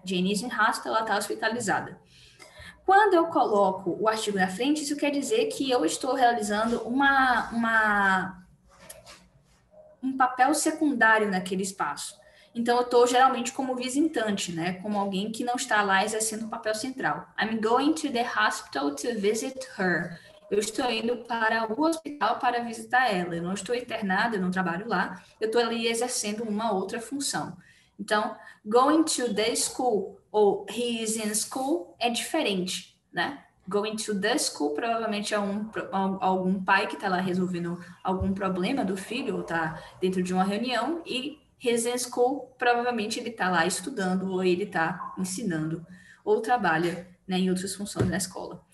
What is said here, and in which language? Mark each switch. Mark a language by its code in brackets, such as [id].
[en] Jane is in hospital, [pt] ela está hospitalizada. Quando eu coloco o artigo na frente, isso quer dizer que eu estou realizando um papel secundário naquele espaço. Então, eu estou geralmente como visitante, né? Como alguém que não está lá exercendo um papel central. [en] I'm going to the hospital to visit her. [pt] Eu estou indo para o hospital para visitar ela. Eu não estou internada, eu não trabalho lá. Eu estou ali exercendo uma outra função. Então, [en] going to the school [pt] ou [en] he is in school [pt] é diferente, né? [en] Going to the school [pt] provavelmente é algum pai que está lá resolvendo algum problema do filho ou está dentro de uma reunião, e [en] he's in school [pt] provavelmente ele está lá estudando ou ele está ensinando ou trabalha, né, em outras funções na escola.